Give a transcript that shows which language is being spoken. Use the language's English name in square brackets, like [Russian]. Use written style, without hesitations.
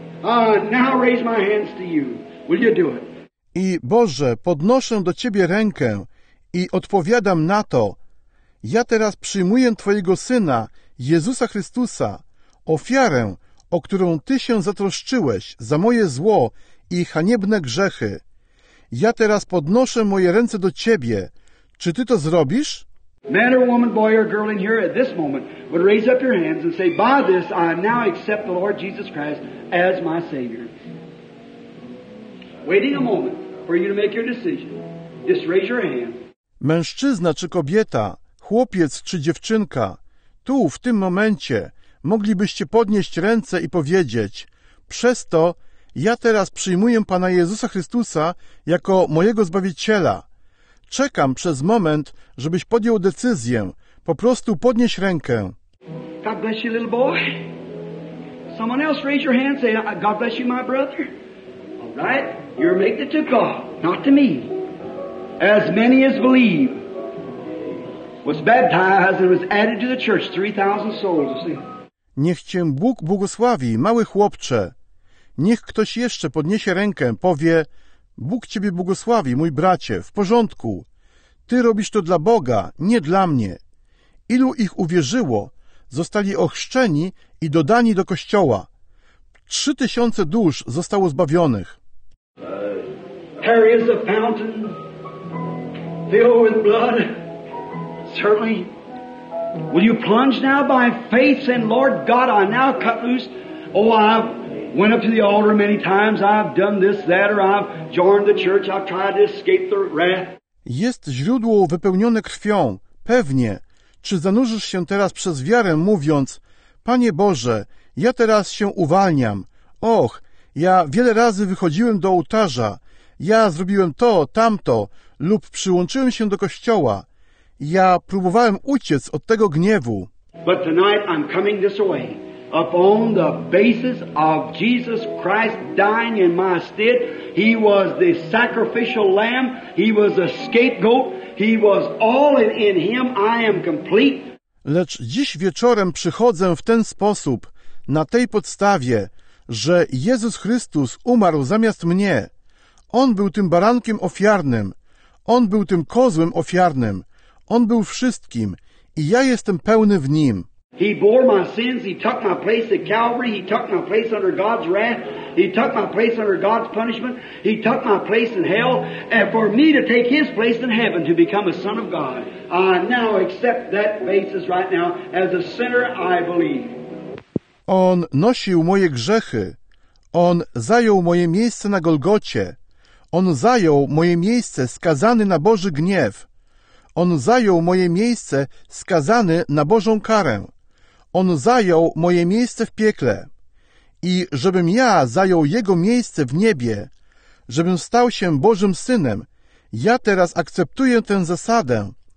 [English] I now raise my hands to you. Will you do it? [Polish] I Boże, podnoszę do Ciebie rękę i odpowiadam na to. Ja teraz przyjmuję Twojego Syna, Jezusa Chrystusa, ofiarę, o którą Ty się zatroszczyłeś za moje zło i haniebne grzechy. Ja teraz podnoszę moje ręce do Ciebie. Czy Ty to zrobisz? [English] Man or woman, boy or girl in here at this moment would raise up your hands and say, by this I now accept the Lord Jesus Christ as my Savior. Waiting a moment for you to make your decision. Just raise your hand. [Polish] Mężczyzna czy kobieta, chłopiec czy dziewczynka, tu, w tym momencie, moglibyście podnieść ręce i powiedzieć, przez to ja teraz przyjmuję Pana Jezusa Chrystusa jako mojego Zbawiciela. Czekam przez moment, żebyś podjął decyzję. Po prostu podnieś rękę. [English] God bless you, little boy. Someone else raise your hand, say, God bless you, my brother. All right, you're making it to God, not to me. As many as believe. Was baptized and was added to the church 3,000 souls. [Polish] Niech Cię Bóg błogosławi, mały chłopcze. Niech ktoś jeszcze podniesie rękę, powie, Bóg Ciebie błogosławi, mój bracie, w porządku. Ty robisz to dla Boga, nie dla mnie. Ilu ich uwierzyło, zostali ochrzczeni i dodani do Kościoła. 3,000 dusz zostało zbawionych. [English] There is a fountain filled with blood. Certainly. Will you plunge now by faith and Lord God, I now cut loose. Oh, I've went up to the altar many times. I've done this, that, or I've joined the church. I've tried to escape the wrath. [Polish] Jest źródło wypełnione krwią. Pewnie. Czy zanurzysz się teraz przez wiarę, mówiąc, Panie Boże, ja teraz się uwalniam. Och, ja wiele razy wychodziłem do ołtarza. Ja zrobiłem to, tamto, lub przyłączyłem się do kościoła. Ja próbowałem uciec od tego gniewu. [English] But tonight I'm coming this way upon the basis of Jesus Christ dying in my stead. He was the sacrificial lamb. He was a scapegoat. He was all in him. I am complete. [Polish] Lecz dziś wieczorem przychodzę w ten sposób, na tej podstawie, że Jezus Chrystus umarł zamiast mnie. On był tym barankiem ofiarnym. On był tym kozłem ofiarnym. On był wszystkim i ja jestem pełny w Nim. [English] He bore my sins, he took my place at Calvary, he took my place under God's wrath, he took my place under God's punishment, he took my place in hell, and for me to take his place in heaven to become a son of God. I now accept that basis right now as a sinner, I believe. [Polish] On nosił moje grzechy. On zajął moje miejsce na Golgocie. On zajął moje miejsce skazany na Boży gniew. On zajął moje miejsce skazany na Bożą karę. On zajął moje miejsce w piekle. I żebym ja zajął Jego miejsce w niebie, żebym stał się Bożym Synem, ja teraz akceptuję tę zasadę.